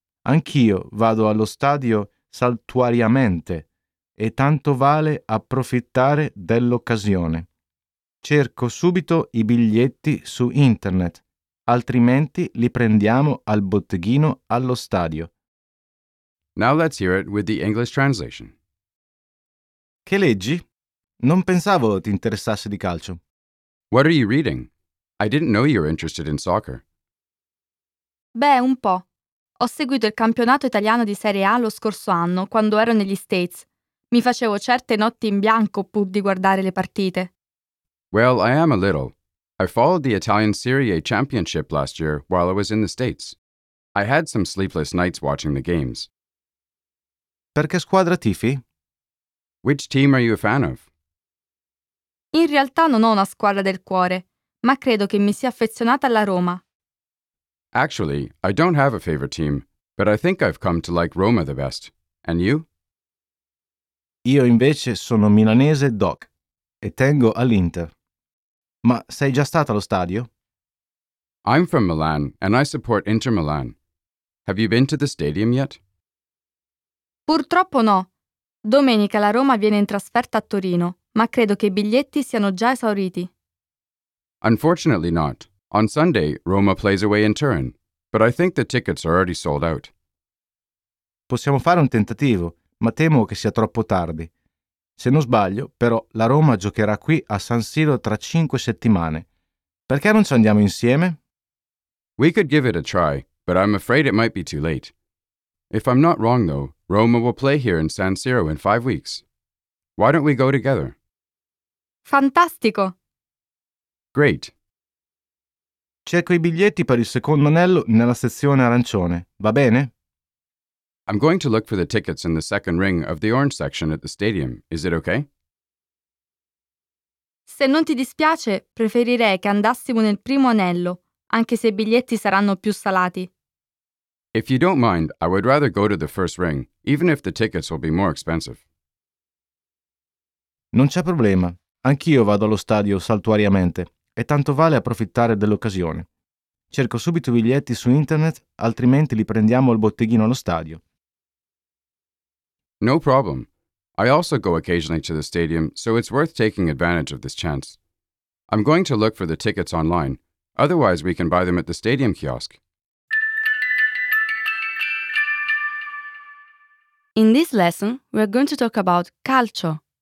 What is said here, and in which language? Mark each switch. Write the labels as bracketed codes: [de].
[it] Anch'io vado allo stadio saltuariamente e tanto vale approfittare dell'occasione. Cerco subito i biglietti su internet, altrimenti li prendiamo al botteghino allo stadio. [en] Now let's hear it with the English translation. [it] Che leggi? Non pensavo ti interessasse di calcio. [en] What are you reading? I didn't know you were interested in soccer. [it] Beh, un po'. Ho seguito il campionato italiano di Serie A lo scorso anno, quando ero negli States. Mi facevo certe notti in bianco pur di guardare le partite. [en] Well, I am a little. I followed the Italian Serie A championship last year while I was in the States. I had some sleepless nights watching the games. [it] Per che squadra tifi? [en] Which team are you a fan of? [it] In realtà non ho una squadra del cuore, ma credo che mi sia affezionata alla Roma. [en] Actually, I don't have a favorite team, but I think I've come to like Roma the best. And you? [it] Io invece sono milanese doc e tengo all'Inter. Ma sei già stato allo stadio? [en] I'm from Milan and I support Inter Milan. Have you been to the stadium yet? [it] Purtroppo no. Domenica la Roma viene in trasferta a Torino, ma credo che I biglietti siano già esauriti. [en] Unfortunately not. On Sunday, Roma plays away in Turin, but I think the tickets are already sold out. [it] Possiamo fare un tentativo, ma temo che sia troppo tardi. Se non sbaglio, però, la Roma giocherà qui a San Siro tra 5 settimane. Perché non ci andiamo insieme? [en] We could give it a try, but I'm afraid it might be too late. If I'm not wrong, though, Roma will play here in San Siro in 5 weeks. Why don't we go together? [it] Fantastico! [en] Great. [it] Cerco I biglietti per il secondo anello nella sezione arancione, va bene? [en] I'm going to look for the tickets in the second ring of the orange section at the stadium. Is it okay? [it] Se non ti dispiace, preferirei che andassimo nel primo anello, anche se I biglietti saranno più salati. [en] If you don't mind, I would rather go to the first ring, even if the tickets will be more expensive. [it] Non c'è problema. Anch'io vado allo stadio saltuariamente, e tanto vale approfittare dell'occasione. Cerco subito I biglietti su internet, altrimenti li prendiamo al botteghino allo stadio. [en] No problem. I also go occasionally to the stadium, so it's worth taking advantage of this chance. I'm going to look for the tickets online. Otherwise, we can buy them at the stadium kiosk. In this lesson, we're going to talk about calcio.